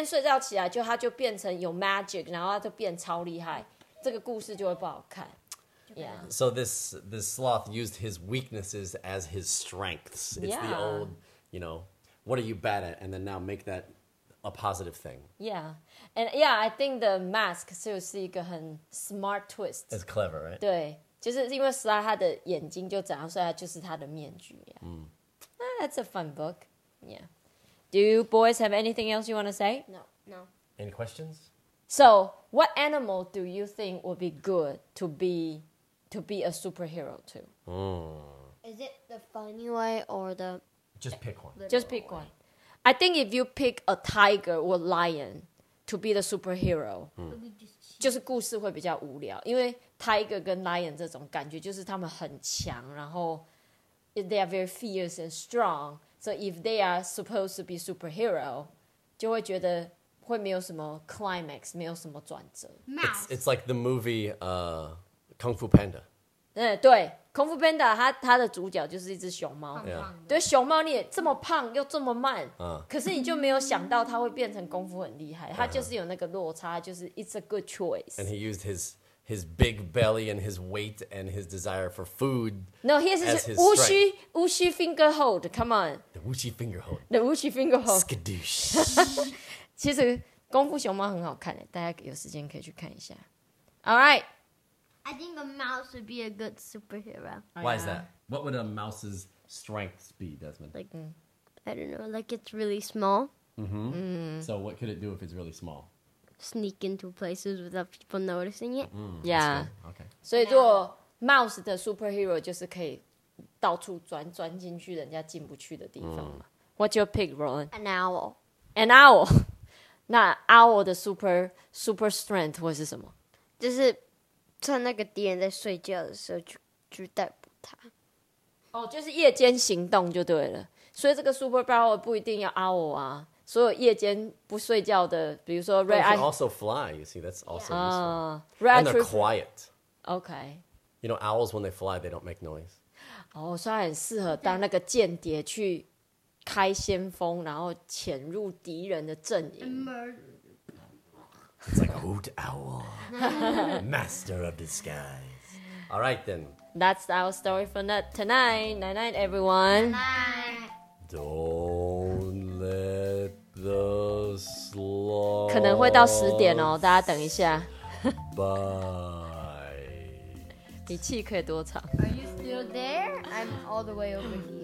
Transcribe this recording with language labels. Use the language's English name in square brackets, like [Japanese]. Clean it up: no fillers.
[Chinese] 你写故事或是你看故事的时候就突然说哦隔天起来他就突然武功高强这故事就不好看他就是要经过18年蹲马步练功然后呢被师傅一直欺负然后在雨中然后被师傅打这样子然后最后他功夫变很厉害才合理嘛对啊如果他隔天睡觉起来就他就变成有 magic 然后他就变超厉害这个故事就会不好看 Yeah. [English] So this sloth used his weaknesses as his strengths. It's the old, you know, what are you bad at? And then now make that a positive thing. Yeah. And yeah, I think the mask is a smart twist. It's clever, right? [Chinese] 对,就是因为sloth他的眼睛就长,所以他就是他的面具. [English] Yeah. Mm. Ah, that's a fun book. Yeah. Do you boys have anything else you want to say? No. Any questions? So, what animal do you think would be good to be... to be a superhero too. Is it the funny way or the... Just pick one. Just pick one. I think if you pick a tiger or lion to be the superhero, [Chinese] 就是故事会比较无聊, 因为 tiger 跟 lion 这种感觉就是他们很强, 然后 [English] they are very fierce and strong. So if they are supposed to be superhero, [Chinese] 就会觉得会没有什么 climax, 没有什么转折。 [English] It's like the movie, Kung Fu Panda. [Chinese] 对 ,Kung Fu Panda, 它的主角就是一只熊猫。 [English] Yeah. [Chinese] 对熊猫你也这么胖又这么慢、可是你就没有想到它会变成功夫很厉害。它就是有那个落差就是 [English] it's a good choice. And he used his big belly and his weight and his desire for food. No, he has his wuxi, wuxi finger hold. Come on. The wuxi finger hold. The wuxi finger hold. Skadoosh. [Chinese] 其实功夫熊猫很好看的，大家有时间可以去看一下。 [English] All right. I think a mouse would be a good superhero. Why is that? What would a mouse's strengths be, Desmond? I don't know. Like it's really small. Mm-hmm. Mm-hmm. So what could it do if it's really small? Sneak into places without people noticing it. Yeah. Okay. [Chinese] 所以如果 mouse 的 superhero 就是可以到处钻进去人家进不去的地方嘛。 [English] What's your pick, Roland? An owl. An owl. [Chinese] 那 owl 的 super strength 会是什么？就是趁那个敌人在睡觉的时候去逮捕他。哦，就是夜间行动就对了。所以这个 super power 不一定要 owl 啊。所有夜间不睡觉的，比如说 [English] red eye. You can also fly. You see, that's also useful. And they're quiet. Okay. You know, owls when they fly, they don't make noise. [Chinese] 哦，所以很适合当那个间谍去开先锋，然后潜入敌人的阵营。 [English] It's like a hoot owl, master of disguise. All right, then. That's our story for tonight. Night, night, everyone. Night. Don't let the slow [Chinese] 可能会到十点哦，大家等一下。 [English] Bye. [Chinese] 你气可以多长 [English] ？Are you still there? I'm all the way over here.